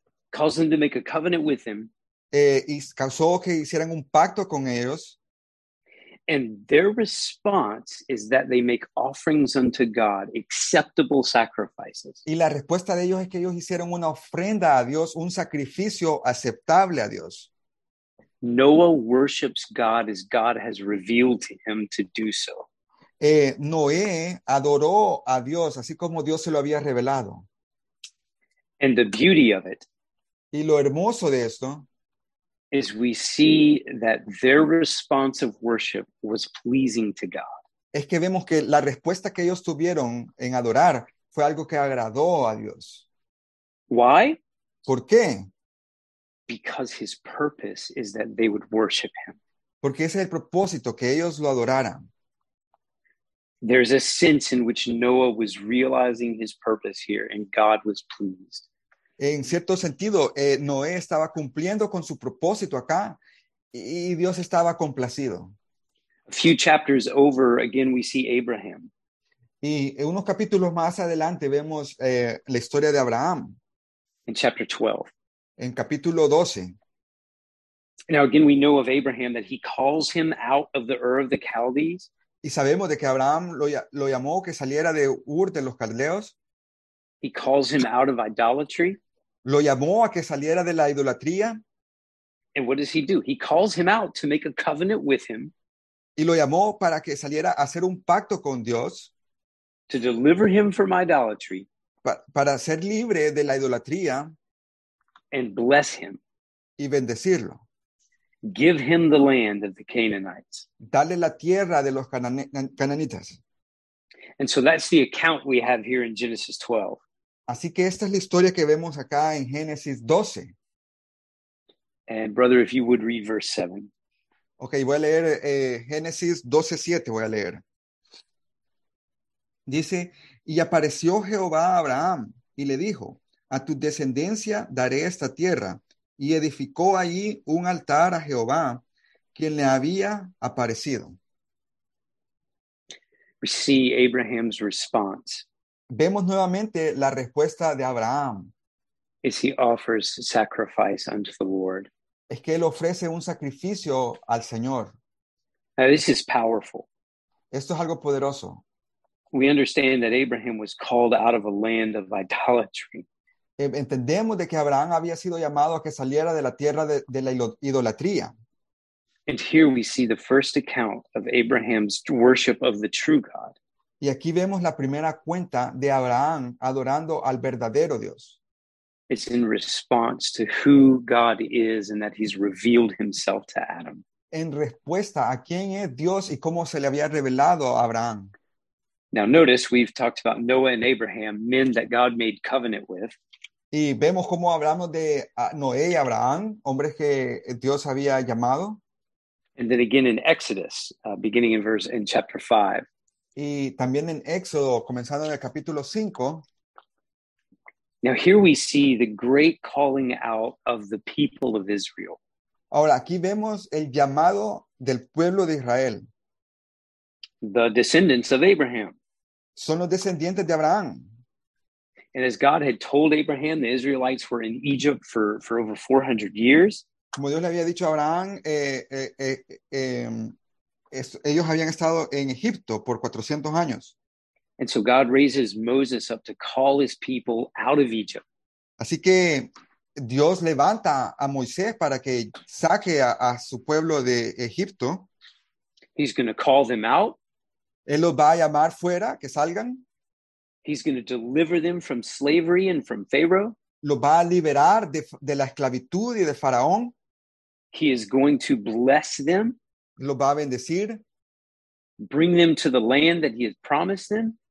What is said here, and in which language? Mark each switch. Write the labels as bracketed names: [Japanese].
[English] Calls them to make a covenant with him. [Spanish] Y causó que hicieran un pacto con ellos. [English] And their response is that they make offerings unto God, acceptable sacrifices. [Spanish] Y la respuesta de ellos es que ellos hicieron una ofrenda a Dios, un sacrificio aceptable a Dios. [English] Noah worships God as God has revealed to him to do so. [Spanish] Noé adoró a Dios así como Dios se lo había revelado. [English] And the beauty of it. [Spanish] Y lo hermoso de esto. [English] Is we see that their response of worship was pleasing to God. [Spanish] Es que vemos que la respuesta que ellos tuvieron en adorar fue algo que agradó a Dios. [English] Why? [Spanish] ¿Por qué? [English] Because his purpose is that they would worship him. [Spanish] Porque ese es el propósito, que ellos lo adoraran. [English] There's a sense in which Noah was realizing his purpose here and God was pleased. [Spanish] En cierto sentido, Noé estaba cumpliendo con su propósito acá y Dios estaba complacido. [English] A few chapters over, again we see Abraham. [Spanish] Y unos capítulos más adelante vemos la historia de Abraham. [English] In chapter 12. [Spanish] En capítulo 12. [English] Now again we know of Abraham that he calls him out of the Ur of the Chaldees. [Spanish] Y sabemos de que Abraham lo llamó que saliera de Ur de los Caldeos. [English] He calls him out of idolatry. [Spanish] Lo llamó a que saliera de la idolatría. [English] And what does he do? He calls him out to make a covenant with him. [Spanish] Y lo llamó para que saliera a hacer un pacto con Dios. [English] To deliver him from idolatry. [Spanish] Para ser libre de la idolatría. [English] And bless him. [Spanish] Y bendecirlo. [English] Give him the land of the Canaanites. [Spanish] Dale la tierra de los cananitas. [English] And so that's the account we have here in Genesis 12. [Spanish] Así que esta es la historia que vemos acá en Génesis 12. [English] And brother, if you would read verse 7. [Spanish] Okay, voy a leer Génesis 12:7. Voy a leer. Dice, y apareció Jehová a Abraham y le dijo, a tu descendencia daré esta tierra. Y edificó allí un altar a Jehová, quien le había aparecido. [English] We see Abraham's response. [Spanish] Vemos nuevamente la respuesta de Abraham. [English] Is he offers sacrifice unto the Lord. [Spanish] Es que él ofrece un sacrificio al Señor. [English] Now, this is powerful. [Spanish] Esto es algo poderoso. [English] We understand that Abraham was called out of a land of idolatry. [Spanish] Entendemos de que Abraham había sido llamado a que saliera de la tierra de la idolatría. [English] And here we see the first account of Abraham's worship of the true God. [Spanish] Y aquí vemos la primera cuenta de Abraham adorando al verdadero Dios. [English] It's in response to who God is and that he's revealed himself to Adam. [Spanish] En respuesta a quién es Dios y cómo se le había revelado a Abraham. [English] Now notice we've talked about Noah and Abraham, men that God made covenant with. [Spanish] Y vemos cómo hablamos de Noé y Abraham, hombres que Dios había llamado. [English] And then again in Exodus, beginning in verse in chapter 5. [Spanish] Y también en Éxodo, comenzando en el capítulo 5. [English] Now here we see the great calling out of the people of Israel. [Spanish] Ahora aquí vemos el llamado del pueblo de Israel. [English] The descendants of Abraham. [Spanish] Son los descendientes de Abraham. [English] And as God had told Abraham, the Israelites were in Egypt for over 400 years. [Spanish] Como Dios le había dicho a Abraham, ellos habían estado en Egipto por 400 años. [English] And so God raises Moses up to call his people out of Egypt. [Spanish] Así que Dios levanta a Moisés para que saque a su pueblo de Egipto. [English] He's going to call them out. [Spanish] Él los va a llamar fuera, que salgan. [English] He's going to deliver them from slavery and from Pharaoh. [Spanish] Los va a liberar de la esclavitud y de Faraón. [English] He is going to bless them. [Spanish] Los va a bendecir. [English] Bring them to the land that he has promised them.